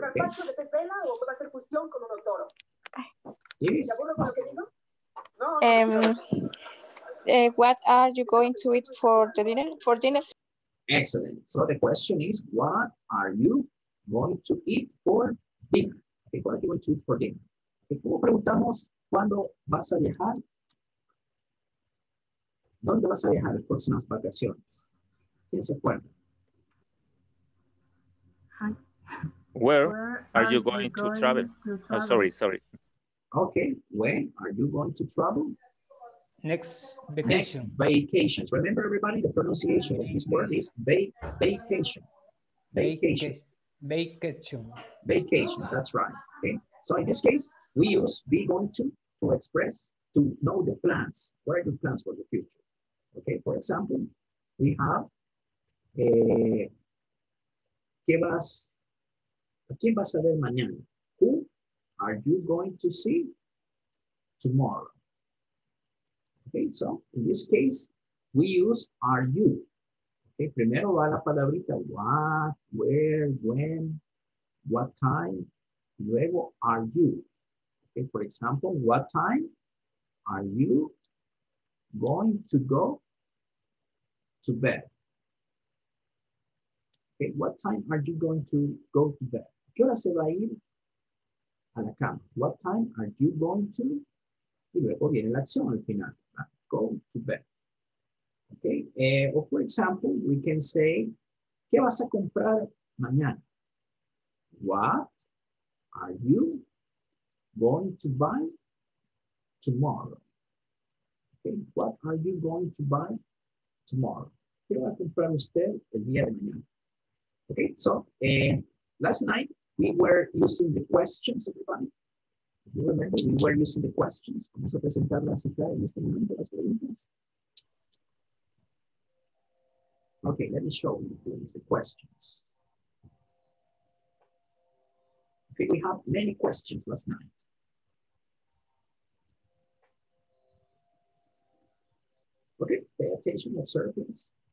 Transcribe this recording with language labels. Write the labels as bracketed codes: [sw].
[es] carpacho de pez vela o puede hacer fusión con un toro? Ibis. ¿Te acuerdas con lo que digo? [en] What are you going to eat for the dinner? For dinner. Excellent. So the question is, what are you going to eat for dinner? Okay, what are you going to eat for dinner? [es] Okay, ¿cómo preguntamos cuándo vas a viajar? ¿Dónde vas a viajar las próximas vacaciones? ¿Quién se acuerda? [en] Where are you going to travel? Oh, sorry. Okay, when are you going to travel? Next vacation. Next vacations. Remember, everybody, the pronunciation of this word is vacation. Vacation. Vacation, that's right. Okay, so in this case, we use be going to express, to know the plans. What are your plans for the future? Okay, for example, we have [es] ¿A quién vas a ver mañana? [en] Who are you going to see tomorrow? Okay, so in this case, we use are you. [es] Okay, primero va la palabrita what, where, when, what time, luego are you. [en] Okay, for example, what time are you going to go to bed? Okay, what time are you going to go to bed? [es] ¿Qué hora se va a ir a la cama? [en] What time are you going to? [es] Y luego viene la acción al final. [en] Go to bed. Okay, or for example, we can say, [es] ¿qué vas a comprar mañana? [en] What are you going to buy tomorrow? Okay, what are you going to buy tomorrow? [es] ¿Qué va a comprar usted el día de mañana? [en] Okay, so last night we were using the questions, everybody. You remember we were using the questions. [es] Vamos a presentarlas acá en este momento, las preguntas. [en] Okay, let me show you, please, the questions. Okay, we have many questions last night. Okay, pay attention, observe this.